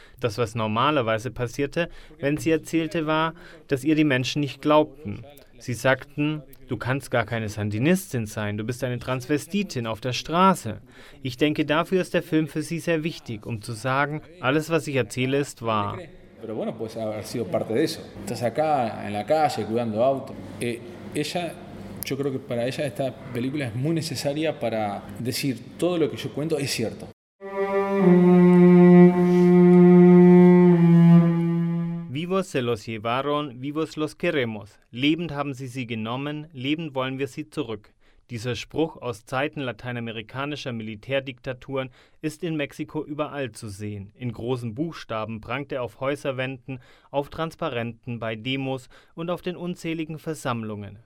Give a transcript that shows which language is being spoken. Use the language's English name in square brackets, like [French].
[German] Das, was normalerweise passierte, wenn sie erzählte, war, dass ihr die Menschen nicht glaubten. Sie sagten, du kannst gar keine Sandinistin sein, du bist eine Transvestitin auf der Straße. Ich denke, dafür ist der Film für sie sehr wichtig, um zu sagen, alles, was ich erzähle, ist wahr. [Spanish] Pero bueno, pues haber sido parte de eso. Estás acá en la calle cuidando auto. Ella, yo creo que para ella esta película es muy necesaria para decir todo lo que yo cuento es cierto. Vivos se los llevaron, vivos los queremos. [German] Lebend haben sie sie genommen, lebend wollen wir sie zurück. Dieser Spruch aus Zeiten lateinamerikanischer Militärdiktaturen ist in Mexiko überall zu sehen. In großen Buchstaben prangt er auf Häuserwänden, auf Transparenten, bei Demos und auf den unzähligen Versammlungen.